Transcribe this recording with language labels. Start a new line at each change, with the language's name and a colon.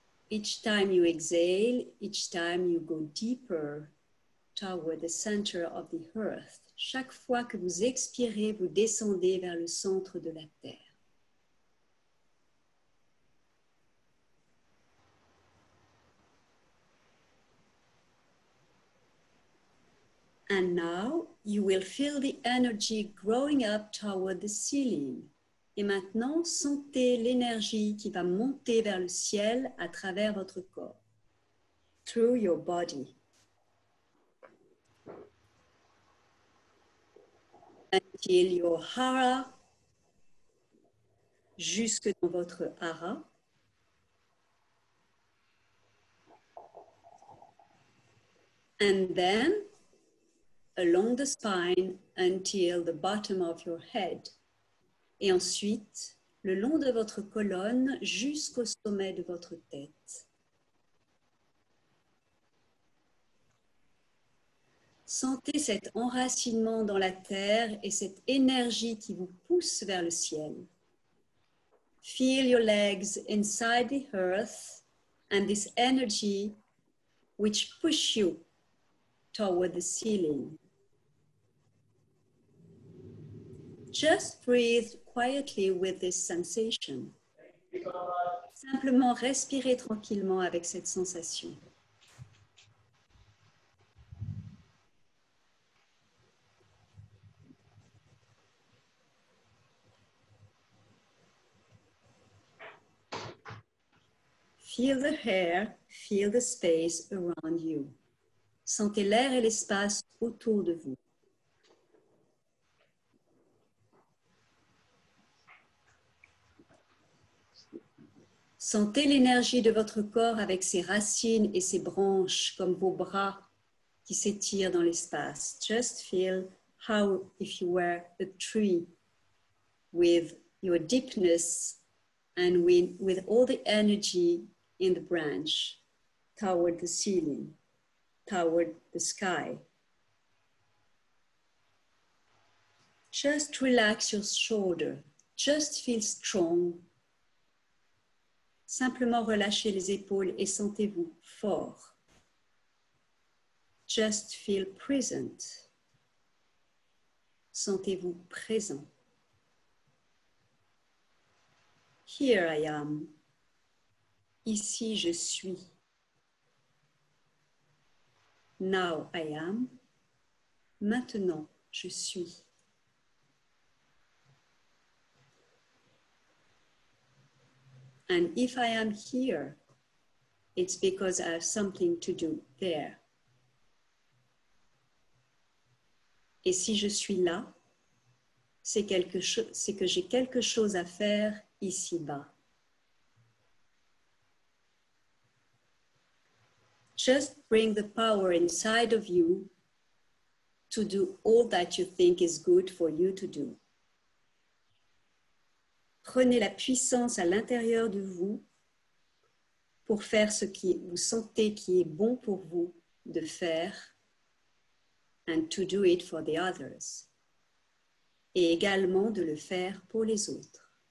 English: Each time you exhale, each time you go deeper toward the center of the earth.
French: Chaque fois que vous expirez, vous descendez vers le centre de la terre.
English: And now you will feel the energy growing up toward the ceiling.
French: Et maintenant, sentez l'énergie qui va monter vers le ciel à travers votre corps.
English: Through your body. Until your hara,
French: jusque dans votre hara.
English: And then, along the spine, until the bottom of your head.
French: Et ensuite, le long de votre colonne jusqu'au sommet de votre tête. Sentez cet enracinement dans la terre et cette énergie qui vous pousse vers le ciel.
English: Feel your legs inside the earth and this energy which push you toward the ceiling. Just breathe quietly with this sensation.
French: Simplement respirez tranquillement avec cette sensation.
English: Feel the air, feel the space around you.
French: Sentez l'air et l'espace autour de vous. Sentez l'énergie de votre corps avec ses racines et ses branches, comme vos bras qui s'étirent dans l'espace.
English: Just feel how if you were a tree with your deepness and with all the energy in the branch toward the ceiling, toward the sky. Just relax your shoulder. Just feel strong.
French: Simplement relâchez les épaules et sentez-vous fort.
English: Just feel present.
French: Sentez-vous présent.
English: Here I am.
French: Ici je suis.
English: Now I am.
French: Maintenant je suis.
English: And if I am here, it's because I have something to do there.
French: Et si je suis là, c'est que j'ai quelque chose à faire ici-bas.
English: Just bring the power inside of you to do all that you think is good for you to do.
French: Prenez la puissance à l'intérieur de vous pour faire ce que vous sentez qui est bon pour vous de faire,
English: and to do it for the others,
French: et également de le faire pour les autres.